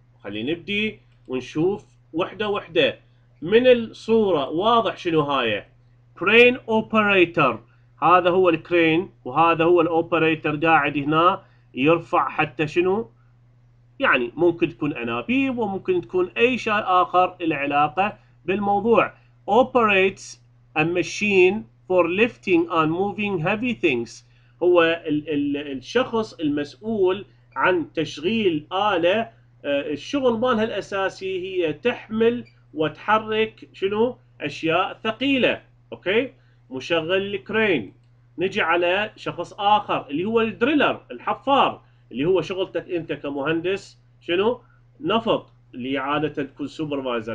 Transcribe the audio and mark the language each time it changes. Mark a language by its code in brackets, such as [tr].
[ar] خلينا نبدي ونشوف وحده وحده من الصوره واضح شنو هاي. كرين اوبريتر هذا هو الكرين، وهذا هو الاوبريتر قاعد هنا يرفع حتى شنو يعني ممكن تكون انابيب وممكن تكون اي شيء اخر العلاقه بالموضوع. [en] operates a machine for lifting and moving heavy things، [ar] هو الشخص المسؤول عن تشغيل آلة. الشغل مالها الأساسي هي تحمل وتحرك شنو أشياء ثقيلة. أوكي مشغل الكرين. نجي على شخص آخر اللي هو الدريلر الحفار، اللي هو شغلتك أنت كمهندس شنو نفط، اللي عادة تكون سوبرفايزر.